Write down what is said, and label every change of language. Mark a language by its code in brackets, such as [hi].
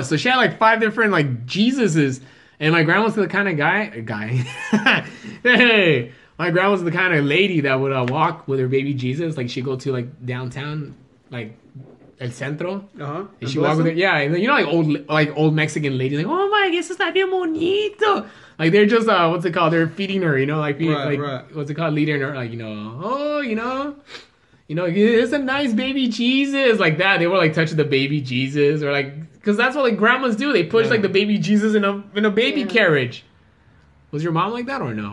[en] So she had like 5 different like Jesuses. And my grandma's the kind of guy. Hey, my grandma's the kind of lady that would walk with her baby Jesus. Like she'd go to like downtown, like El Centro. Uh-huh. And she walk with her. Yeah. And then, you know, like old Mexican ladies. Like, oh my, [es] eso está bien bonito. [en] Like they're just, what's it called? They're feeding her, you know, like what's it called? Leading her, like, you know, oh, you know. You know, it's a nice baby Jesus, like that. They were like touching the baby Jesus, or like, because that's what like grandmas do. They push like the baby Jesus in a baby carriage. Was your mom like that or no?